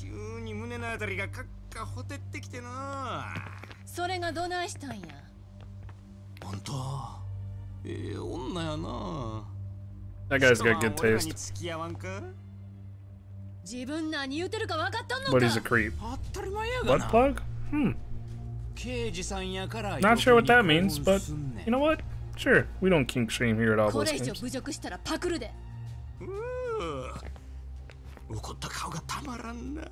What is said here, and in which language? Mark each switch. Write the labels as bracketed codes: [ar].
[ja] 急に胸のあたりがカッカホテってきてな。それがどないしたんや。本当。ええ女やな。 [en] That guy's got good taste. [ja] 付き合わんか。自分何言ってるか分かったのか。 [en] But he's a creep. [ja] 当たり前やがな。 [en] Butt plug? [ja] 刑事さんやから。 [en] Not sure what that means, but you know what? Sure, we don't kink shame here at ObelusGames. [ja] これ以上侮辱したらパクるで。うう、怒った顔がたまらんな。